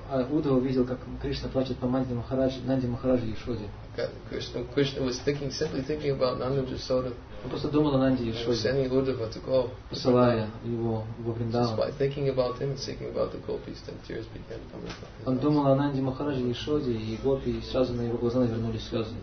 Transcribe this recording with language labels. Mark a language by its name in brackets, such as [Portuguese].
[Russian] Уддхава видел, как Кришна плачет по Нанде Махараджу, Нанде Махараджу и Ешоде. [English] Krishna was thinking, simply thinking about Nanda Yashoda. [Russian] Он просто думал о Нанде Ешоде. [English] Sending Uddhava to go. [Russian] Посылая его в Вриндаван. [English] By thinking about him and thinking about the gopis, then tears began coming from him. [Russian] Он думал о Нанде Махараджу и Ешоде, и гопи сразу на его глаза навернулись слезы.